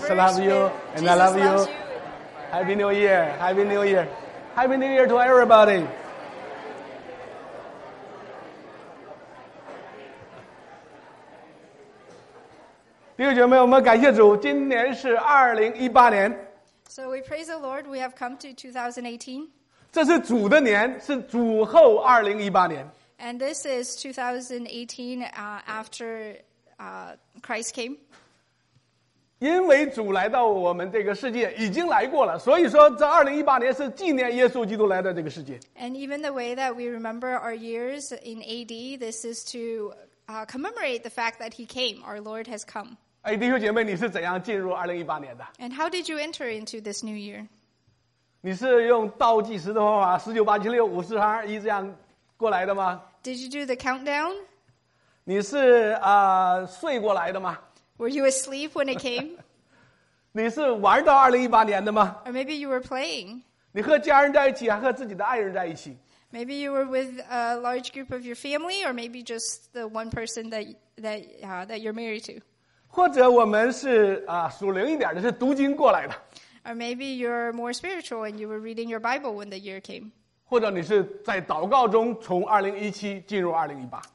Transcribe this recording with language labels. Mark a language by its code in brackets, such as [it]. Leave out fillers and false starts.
[en] Jesus loves you, and I love you. Happy New Year. Happy New Year. Happy New Year to everybody. [zh] 弟兄姐妹，我们感谢主，今年是2018年。 [en] So we praise the Lord, we have come to 2018. [zh] 这是主的年，是主后2018年。 [en] And this is 2018, after, Christ came. [zh] 因为主来到我们这个世界，已经来过了，所以说这2018年是纪念耶稣基督来到这个世界。 [en] And even the way that we remember our years in AD, this is to, commemorate the fact that he came, our Lord has come. [zh] 哎，弟兄姐妹，你是怎样进入2018年的 [en] ？And how did you enter into this new year？ [zh] 你是用倒计时的方法，十九、八、七、六、五、四、三、二、一这样过来的吗 [en] ？Did you do the countdown？ [zh] 你是睡过来的吗 [en] ？Were you asleep when it came？ [zh] 你是玩到2018年的吗 [en] ？Or maybe you were playing？ [zh] 你和家人在一起，还和自己的爱人在一起 [en] ？Maybe you were with a large group of your family, or maybe just the one person that you're married to。 [zh] 或者我们是属灵一点的，是读经过来的。 [en] Or maybe you're more spiritual and you were reading your Bible when the year came. [zh] 或者你是在祷告中从2017进入2018。